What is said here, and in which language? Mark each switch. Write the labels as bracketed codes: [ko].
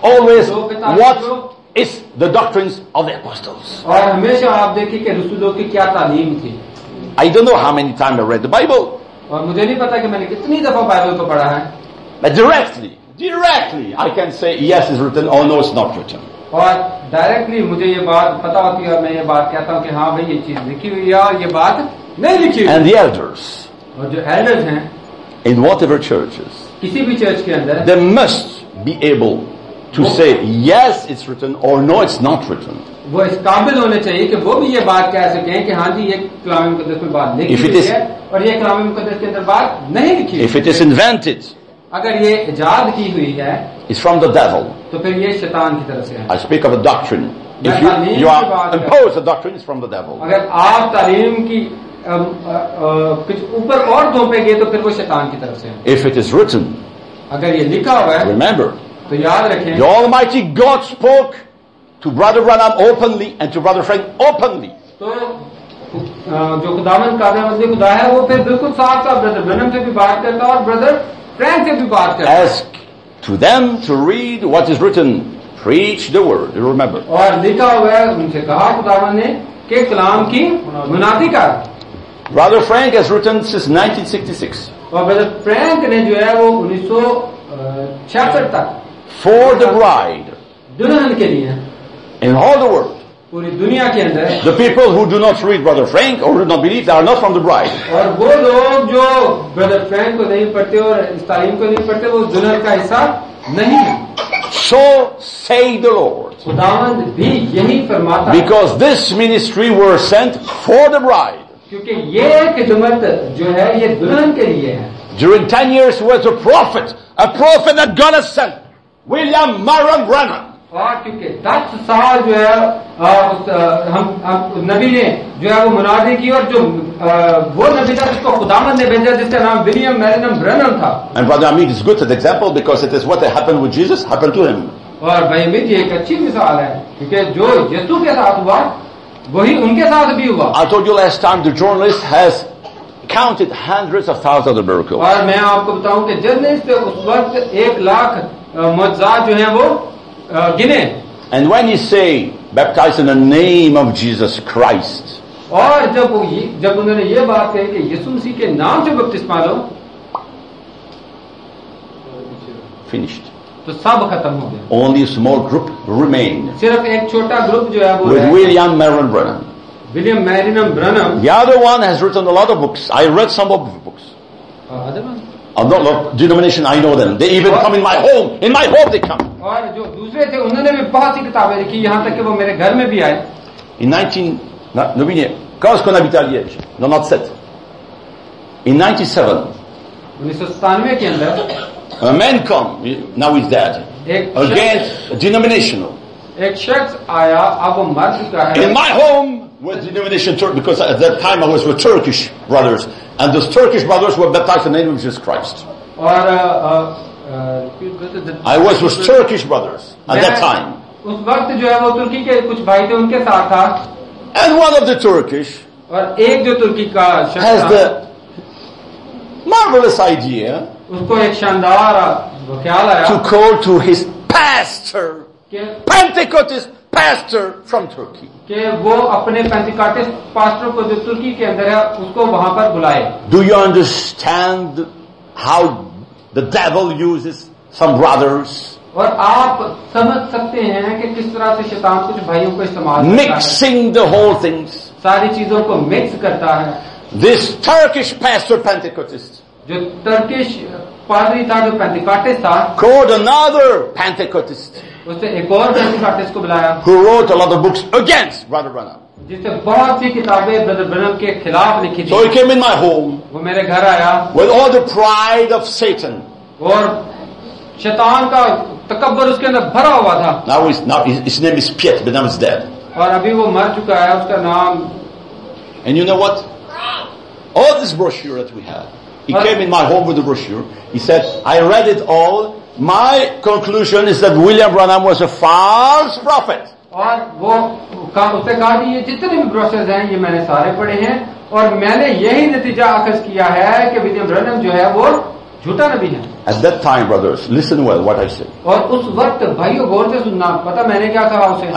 [en] always what is the doctrines of the apostles. [hi] और हमेशा आप देखिए कि रसूलों की क्या तालीम थी. [en] I don't know how many times I read the Bible. [hi] और मुझे नहीं पता कि मैंने कितनी दफा बाइबल को पढ़ा है. [en] But directly I can say yes is written or no it's not written. [hi] और डायरेक्टली मुझे ये बात पता होती है और मैं ये बात कहता हूँ कि हाँ भाई ये चीज लिखी हुई है और ये बात नहीं लिखी हुई. [en] and the elders [hi] और जो एल्डर्स हैं [en] in whatever churches [hi] किसी भी चर्च के अंदर [en] They must be able to say yes it's written or no it's not written. [hi] वो इस काबिल होने चाहिए कि वो भी ये बात कह सकें कि हाँ जी ये कलाम मुकद्दस में बात लिखी हुई है और ये कलाम मुकद्दस के अंदर बात नहीं लिखी हुई. [en] if it is invented [hi] अगर ये इजाद की हुई है [en] It's from the devil. [hi] तो फिर ये शैतान की तरफ से है. [en] I speak of a doctrine. If you are imposed a doctrine, it's from the devil. [hi] अगर आप तालीम की कुछ ऊपर और थोपेंगे तो फिर वो शैतान की तरफ से है. [en] If it is written, [hi] अगर ये लिखा हुआ है, [en] remember, [hi] तो याद रखें, [en] the Almighty God spoke to Brother Branham openly and to Brother Frank openly. [hi] तो जो खुदावंद कादरवंद खुदा है वो फिर बिल्कुल साफ साफ ब्रदर ब्रैनम से भी बात करता और ब्रदर फ्रैंक से भी बात करता [en] to them to read what is written preach the word. You remember. [hi] और लिखा हुआ है उनसे कहा खुदावन ने के कलाम की मुनादी कर. [en] Brother Frank has written since 1966. [hi] और Brother Frank ने जो है वो 1966 तक. [en] For the bride. [hi] दुल्हन के लिए. [en] In all the world. [hi] पूरी दुनिया के अंदर. [en] The people who do not read Brother Frank or do not believe, they are not from the bride. [hi] और वो लोग जो Brother Frank को नहीं पढ़ते और इस तालीम को नहीं पढ़ते वो दुल्हन का हिस्सा नहीं. [en] So say the Lord. [hi] खुदावंद भी यही फरमाता. [en] Because this ministry were sent for the bride. [hi] क्योंकि ये खिदमत जो है ये दुल्हन के लिए है. [en] During 10 years was a prophet that God has sent, William Marion Branham. [hi] और क्योंकि 10 साल जो है हम नबी ने जो है वो मुनादी की और जो वो नबी था जिसको खुदावंद ने भेजा जिसका नाम विलियम मैरियम ब्रैनम था. [en] And Brother Amit is good at example because it is what happened with Jesus happened to him. [hi] और भाई अमित ये एक अच्छी मिसाल है क्योंकि जो यीशु के साथ हुआ वही उनके साथ भी हुआ. [en] I told you last time the journalist has counted hundreds of thousands of the miracles. [hi] और मैं आपको बताऊं कि जर्नलिस्ट उस वक्त 100,000 मौजजात जो है वो गिने. [en] And when he say baptized in the name of Jesus Christ. [hi] और जब जब उन्होंने ये बात कही कि यीशु मसीह के नाम से बपतिस्मा लो. [en] Finished. [hi] तो सब खत्म हो गया. [en] Only a small group remained. [hi] सिर्फ एक छोटा ग्रुप जो है वो [en] with William Marion Branham. William Marion Branham. The other one has written a lot of books. I read some of the books. Other one. I'm not of denomination, I know them. They even come in my home. In my home they come. [hi] और जो दूसरे थे उन्होंने भी बहुत सी किताबें लिखी यहाँ तक कि वो मेरे घर में भी आए. [en] In 1997 [hi] के अंदर [en] a man come, now he's dead. Against denominational. [hi] एक शख्स आया अब वो मर चुका है. [en] In my home with denomination Turk because at that time I was with Turkish brothers. And those Turkish brothers were baptized in the name of Jesus Christ. Or, I was with Turkish brothers at that time. [hi] उस वक्त जो है वो तुर्की के कुछ भाई थे उनके साथ था. [en] And one of the Turkish [hi] और एक जो तुर्की का शख्स [en] has the marvelous idea [hi] उसको एक शानदार ख्याल आया [en] to call to his pastor Pentecostist pastor from Turkey. [hi] के वो अपने पेंटिकॉस्टल पास्टर को जो तुर्की के अंदर है उसको वहां पर बुलाए. [en] Do you understand how the devil uses some brothers? [hi] और आप समझ सकते हैं कि किस तरह से शैतान कुछ भाइयों को इस्तेमाल करता है. [en] Mixing the whole things. [hi] सारी चीजों को मिक्स करता है. [en] This Turkish pastor Pentecostist. [hi] जो टर्किश पादरी था जो पेंटिकॉस्टल था. [en] Called another Pentecostist. [hi] उसने एक और पेंटिकॉस्टल को बुलाया. [en] Who wrote a lot of books against Brother Branham. [hi] जिसने बहुत सी किताबें Brother Branham के खिलाफ लिखी थी. [en] So he came in my home. [hi] वो मेरे घर आया. [en] With all the pride of Satan. [hi] और शैतान का तकबर उसके अंदर भरा हुआ था. [en] Now his name is Piet, but now he's dead. [hi] और अभी वो मर चुका है उसका नाम. [en] And you know what? All this brochure that we have. He came in my home with the brochure. He said, I read it all. My conclusion is that William Branham was a false prophet. [hi] और वो उसने कहा कि ये जितने भी brochures हैं ये मैंने सारे पढ़े हैं और मैंने यही नतीजा आकर्ष किया है कि विलियम ब्रैनम जो है वो झूठा नबी है. [en] At that time, brothers, listen well what I said. [hi] और उस वक्त भाइयों गौर से सुनना पता मैंने क्या कहा उसे.